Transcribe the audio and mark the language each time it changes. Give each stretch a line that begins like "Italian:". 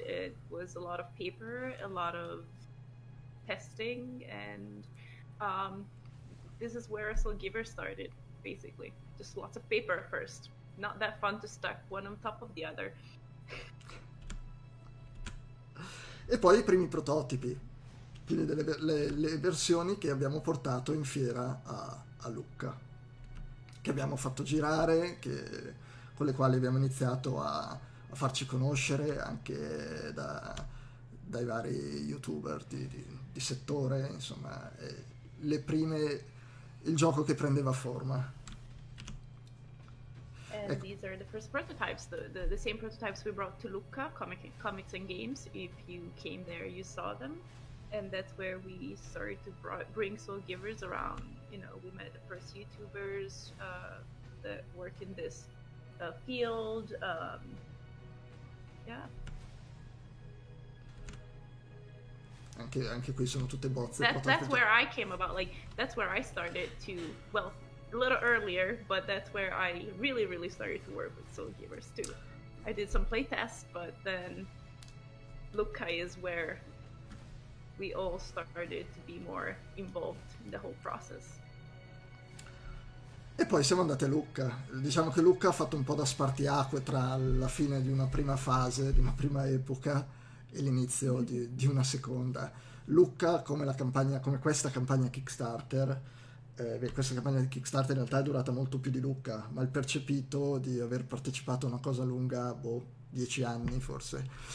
English: It was a lot of paper, a lot of testing, and this is where Soul Giver started, basically. Just lots of paper first. Not that fun to stack one on top of the other.
Italian: E poi i primi prototipi, quindi le versioni che abbiamo portato in fiera a Lucca, che abbiamo fatto girare, con le quali abbiamo iniziato a farci conoscere anche dai vari YouTuber di settore, insomma, il gioco che prendeva forma. Ecco.
English: And these are the first prototypes, the same prototypes we brought to Lucca, Comics and Games. If you came there, you saw them. And that's where we started to bring Soul Givers around. You know, we met the first YouTubers that work in this field. Yeah.
Italian: Anche qui sono tutte bozze
English: That's
Italian: prototipi.
English: where I came about. Like, that's where I started to, well, a little earlier, but that's where I really started to work with Soul Givers too. I did some play tests, but then Lucca is where we all started to be more involved in the whole process.
Italian: E poi siamo andati a Lucca. Diciamo che Lucca ha fatto un po' da spartiacque tra la fine di una prima fase, di una prima epoca, e l'inizio di una seconda. Lucca, come questa campagna Kickstarter, Questa campagna di Kickstarter in realtà è durata molto più di Lucca, ma il percepito di aver partecipato a una cosa lunga, boh, 10 anni forse.